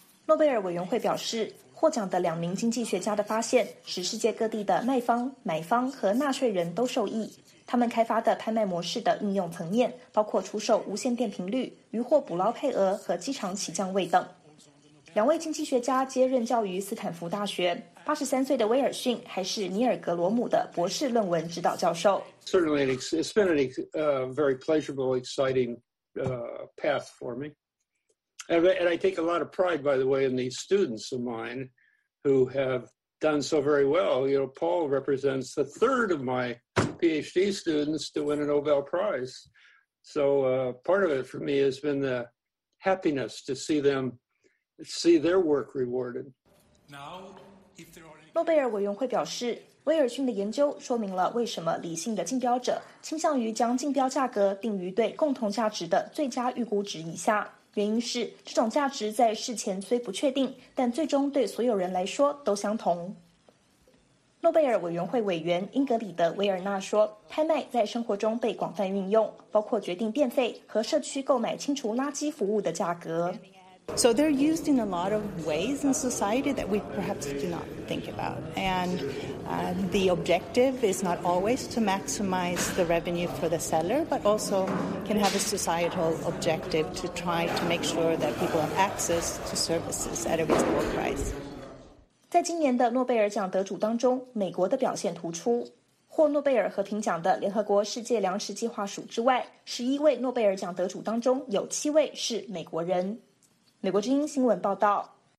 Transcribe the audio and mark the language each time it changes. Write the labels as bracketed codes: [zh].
[zh] 诺贝尔委员会表示，获奖的两名经济学家的发现使世界各地的卖方、买方和纳税人都受益。他们开发的拍卖模式的应用层面包括出售无线电频率、渔获捕捞配额和机场起降位等。两位经济学家皆任教于斯坦福大学。83岁的威尔逊还是尼尔格罗姆的博士论文指导教授。 [en] Certainly, it's been a very pleasurable, exciting path for me, and I take a lot of pride, by the way, in these students of mine who have done so very well. You know, Paul represents the third of my PhD students to win a Nobel Prize. So part of it for me has been the happiness to see them. See their work rewarded. Now, if there are [zh] 诺贝尔委员会表示，威尔逊的研究说明了为什么理性的竞标者倾向于将竞标价格定于对共同价值的最佳预估值以下。原因是这种价值在事前虽不确定，但最终对所有人来说都相同。诺贝尔委员会委员英格里德·威尔纳说，拍卖在生活中被广泛运用，包括决定电费和社区购买清除垃圾服务的价格。 [en] So they're used in a lot of ways in society that we perhaps do not think about. And the objective is not always to maximize the revenue for the seller, but also can have a societal objective to try to make sure that people have access to services at a reasonable price. [zh] 在今年的诺贝尔奖得主当中，美国的表现突出。获诺贝尔和平奖的联合国世界粮食计划署之外，11位诺贝尔奖得主当中有7位是美国人。美国之音新闻报道。